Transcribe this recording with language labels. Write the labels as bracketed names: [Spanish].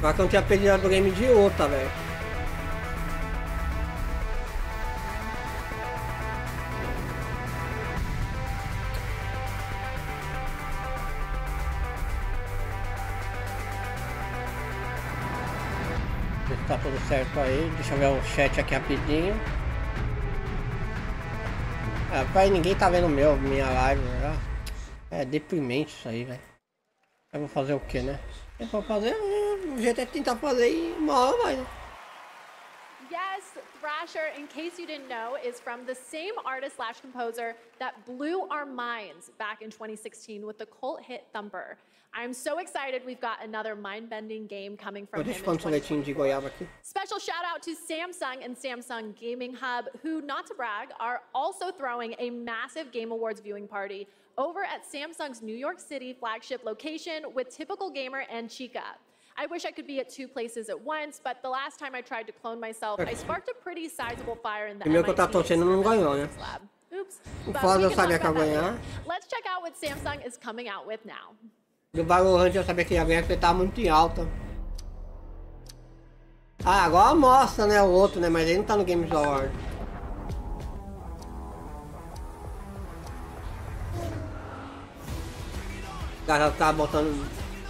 [Portuguese] Só que eu não tinha perdido do game de outra, velho. Certo aí, deixa eu ver o chat aqui rapidinho. Rapaz, ninguém tá vendo minha live, né? É deprimente isso aí, velho. Eu vou fazer o que, né? Eu vou fazer o jeito é tentar fazer e uma hora vai, né? [English] Yes, Thrasher, in case you didn't know, is from the same artist slash composer that blew our minds back in 2016 with the cult hit Thumper. I'm so excited we've got another mind-bending game coming from him. [Portuguese] Deixa eu falar um de goiaba aqui. [English] Special shout out to Samsung and Samsung Gaming Hub, who, not to brag, are also throwing a massive Game Awards viewing party over at Samsung's New York City flagship location with Typical Gamer and Chica. I wish I could be at two places at once, but the last time I tried to clone myself, I sparked a pretty sizable fire in the MIT Space Lab. Oops. But we can talk about that later. Let's check out what Samsung is coming out with now. [Portuguese] No Valorant eu sabia que ia ganhar porque ele tava muito em alta. Ah, agora mostra, né, o outro, né, mas ele não tá no Games Award. Cara, tá botando...